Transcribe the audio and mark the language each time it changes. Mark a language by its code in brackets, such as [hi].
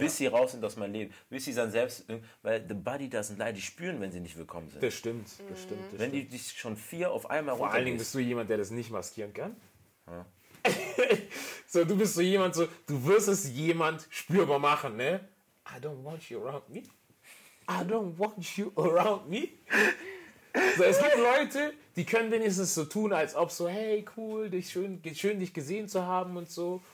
[de] Bis sie raus sind aus meinem Leben. Bis sie dann selbst, weil [en] the body doesn't lie, [de] die spüren, wenn sie nicht willkommen sind. Das stimmt. Das stimmt. Wenn die dich schon vier auf einmal runtergehen. Vor allen Dingen bist du jemand, der das nicht maskieren kann. Ja. So, du bist so jemand, so, du wirst es jemand spürbar machen, ne? [en] I don't want you around me. I don't want you around me. [de] So, es gibt Leute, die können wenigstens so tun, als ob so, hey, cool, schön dich gesehen zu haben und so.